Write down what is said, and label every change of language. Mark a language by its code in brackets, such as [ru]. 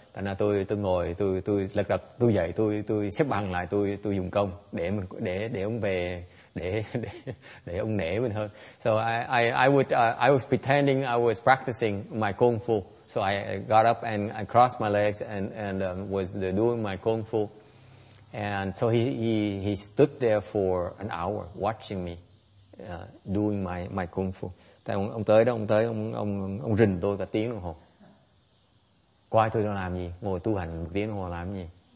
[vi] Thành ra tôi ngồi, tôi lật đật, tôi dậy, tôi xếp bằng lại, tôi dùng công để ông về, để ông nể mình hơn. [en] So I was pretending I was practicing my kung fu. So I got up and I crossed my legs and was doing my kung fu. And so he stood there for an hour watching me doing my kung fu. [vi] Tại ông tới đó, ông rình tôi cả tiếng đồng hồ. Coi tôi đang làm gì, ngồi tu hành một tiếng đồng hồ làm gì.